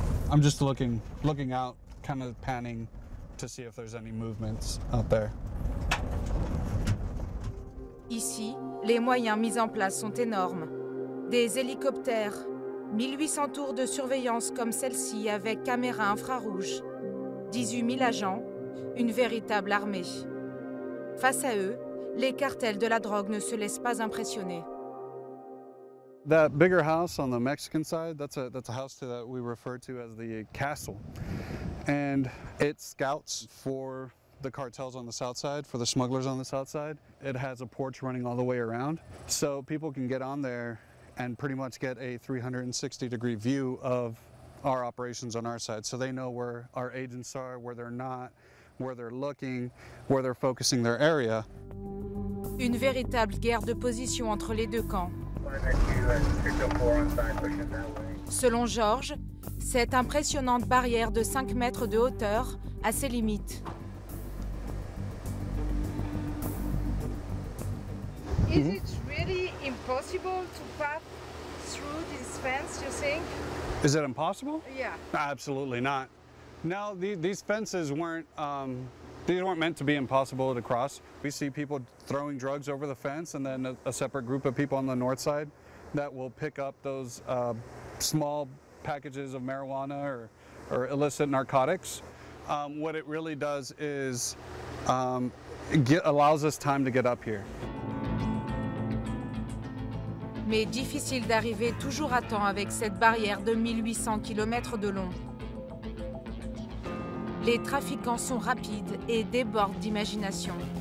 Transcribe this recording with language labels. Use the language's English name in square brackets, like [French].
[English] I'm just looking out, kind of panning to see if there's any movements out there. [French] Ici, les moyens mis en place sont énormes. Des hélicoptères, 1800 tours de surveillance comme celle-ci avec caméras infrarouges, 18 000 agents, une véritable armée. Face à eux, les cartels de la drogue ne se laissent pas impressionner. [English] That bigger house on the Mexican side, that's a house that we refer to as the castle. And it scouts for the cartels on the south side, for the smugglers on the south side. It has a porch running all the way around. So people can get on there and pretty much get a 360-degree view of our operations on our side. So they know where our agents are, where they're not, where they're looking, where they're focusing their area. [French] Une véritable guerre de position entre les deux camps. Selon George, cette impressionnante barrière de 5 mètres de hauteur a ses limites. [English] Is it really impossible to pass through this fence, you think? Is it impossible? Yeah. Absolutely not. No, these fences weren't meant to be impossible to cross. We see people throwing drugs over the fence, and then a separate group of people on the north side that will pick up those small packages of marijuana or illicit narcotics. What it really does is allows us time to get up here. [French] Mais difficile d'arriver toujours à temps avec cette barrière de 1800 km de long. Les trafiquants sont rapides et débordent d'imagination.